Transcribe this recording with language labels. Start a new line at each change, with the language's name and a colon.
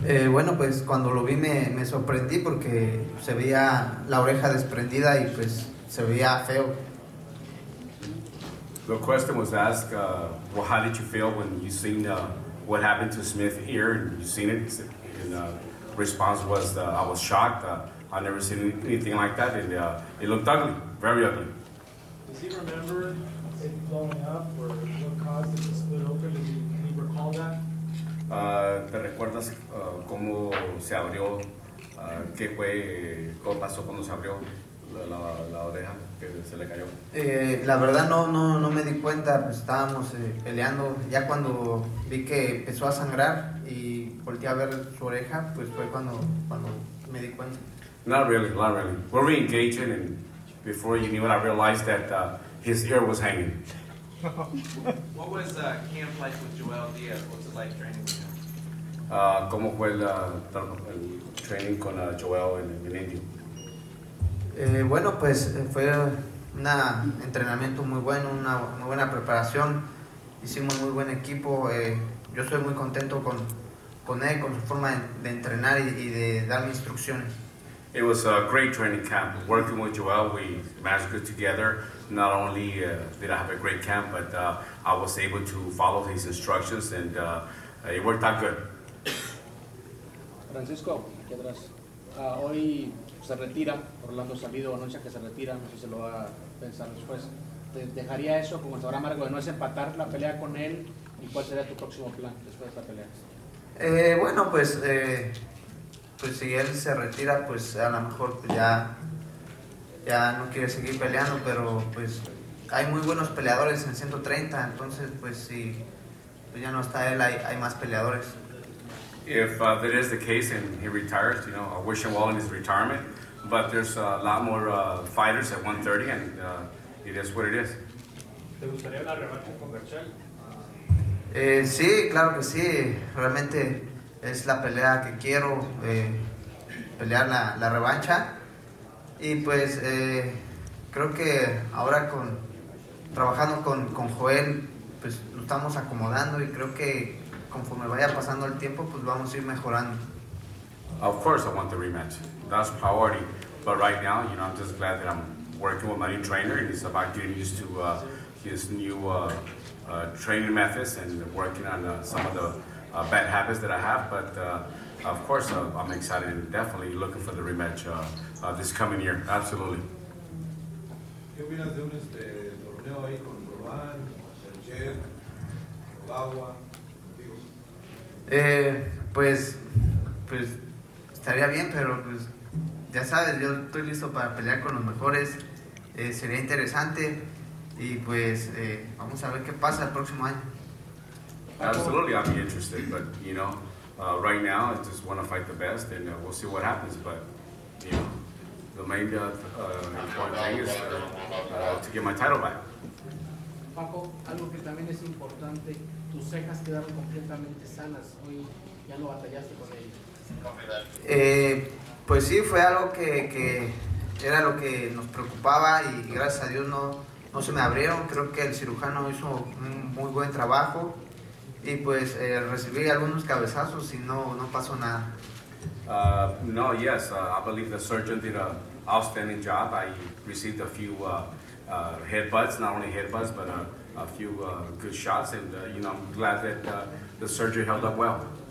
Spanish: Bueno, pues cuando lo vi me sorprendí porque se veía la oreja desprendida y pues se veía feo.
English: The question was asked, well, how did you feel when you seen what happened to Smith here and you seen it? And the response was, I was shocked. I never seen anything like that, and it looked ugly, very ugly. Does he remember it blowing up or what caused it to split open? Can he recall that?
Spanish: ¿Te recuerdas cómo se abrió? ¿Qué fue? ¿Qué pasó cuando se abrió la oreja que se le cayó? La verdad no me di cuenta. Estábamos peleando. Ya cuando vi que empezó a sangrar y volteé a ver su oreja, pues fue cuando me di cuenta.
English: Not really. We're re-engaging and before you knew it, I realized that his ear was hanging. What was camp like with Joel Diaz? What's it like training with him?
Spanish: ¿Cómo fue el training con Joel en Indio? Bueno, pues fue un entrenamiento muy bueno, una muy buena preparación. Hicimos muy buen equipo. Yo estoy muy contento con él, con su forma de entrenar y de dar instrucciones.
English: It was a great training camp. Working with Joel, we managed good together. Not only did I have a great camp, but I was able to follow his instructions, and it worked out good.
Spanish: Francisco, ¿qué tras? Hoy se retira, Orlando Salido, anuncia que se retira, no sé si se lo va a pensar después. ¿Te dejaría eso como el sabor amargo de no desempatar la pelea con él? ¿Y cuál sería tu próximo plan después de esta pelea? Bueno, pues pues si él se retira, pues a lo mejor ya no quiere seguir peleando, pero pues hay muy buenos peleadores en 130, entonces pues si pues ya no está él, hay más peleadores.
English: If that is the case and he retires, you know, I wish him well in his retirement, but there's a lot more fighters at 130, and it is what it is.
Spanish: ¿Te gustaría una revancha con Berchel? Sí, claro que sí, realmente es la pelea que quiero, pelear la revancha. Y pues creo que ahora trabajando con Joel, pues lo estamos acomodando y creo que conforme vaya pasando el tiempo, pues vamos a ir mejorando.
English: Of course I want the rematch. That's priority. But right now, you know, I'm just glad that I'm working with my new trainer and he's about getting used to his new training methods and working on some of the bad habits that I have, but of course I'm excited and definitely looking for the rematch this coming year. Absolutely.
Spanish: ¿Qué opinas de un este torneo ahí con Román, Sergio, Obagua, contigo? Pues estaría bien, pero pues ya sabes, yo estoy listo para pelear con los mejores. Sería interesante y pues vamos a ver qué pasa el próximo año.
English: Absolutely, I'd be interested, but you know, right now I just want to fight the best and we'll see what happens. But you know, the main important thing is to get my title back.
Spanish: Paco, algo que también es importante, tus cejas quedaron completamente sanas hoy. ¿Ya no batallaste con ellas? Pues sí, fue algo que era lo que nos preocupaba y gracias a Dios no se me abrieron. Creo que el cirujano hizo un muy buen trabajo. Y pues recibí algunos cabezazos y no pasó nada.
English: I believe the surgeon did an outstanding job. I received a few headbutts, not only headbutts, but a few good shots. And, you know, I'm glad that the surgery held up well.